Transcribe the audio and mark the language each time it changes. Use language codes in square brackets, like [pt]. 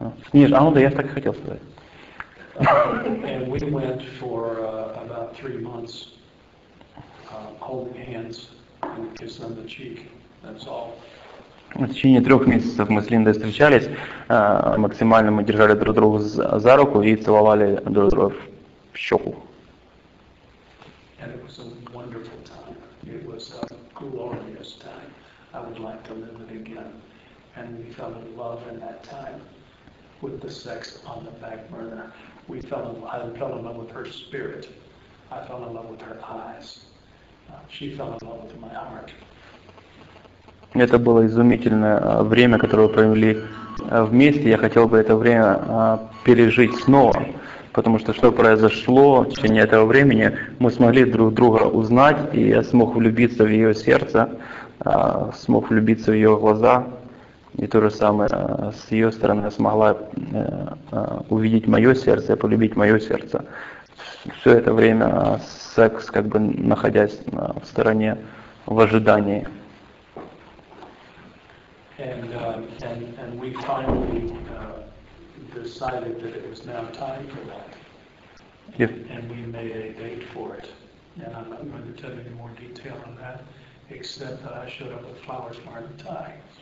[ru] Снежная. Ну да, я так и хотел сказать. [en] And we went for about 3 months holding hands and kissing on the cheek. That's all. [ru] В течение 3 месяцев мы с Линдой встречались, максимально мы держали друг друга за руку и целовали друг друга в щеку. [en] And it was a wonderful time. It was a glorious time. I would like to live it again. And we fell in love in that time with the sex on the back burner. I fell in love with her spirit. I fell in love with her eyes. She fell in love with my heart. [ru] Это было изумительное время, которое вы провели вместе. Я хотел бы это время пережить снова, потому что что произошло в течение этого времени, мы смогли друг друга узнать, и я смог влюбиться в ее сердце, смог влюбиться в ее глаза, и то же самое с ее стороны я смогла увидеть мое сердце, полюбить мое сердце. Все это время секс, как бы находясь в стороне, в ожидании. [en] And we finally decided that it was now time for that. Yep. And we made a date for it. And I'm not going to tell you any more detail on that, except that I showed up with flowers, smart and tie.